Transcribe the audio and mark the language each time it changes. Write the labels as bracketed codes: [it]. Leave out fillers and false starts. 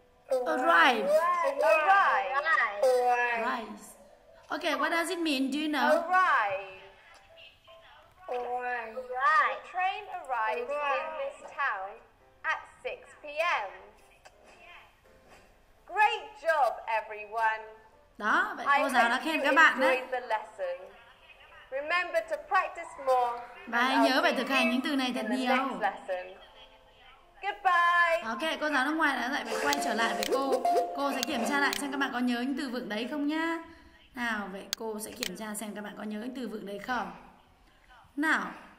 [en] Arrive. Arrive. Arrive. Okay, what does it mean? Do you know? Arrive. Arrive. The train arrives in this town at 6 p.m. Great job, everyone. [vi] Đó, vậy cô giáo đã khen các bạn đấy. [en] Remember to practice more. [vi] Và hãy nhớ phải thực hành những từ này thật nhiều. [en] Goodbye. [vi] Ok, cô giáo nước ngoài đã lại phải quay trở lại với cô. Cô sẽ kiểm tra lại xem các bạn có nhớ những từ vựng đấy không nhá. Nào, vậy cô sẽ kiểm tra xem các bạn có nhớ những từ vựng đấy không. Nào.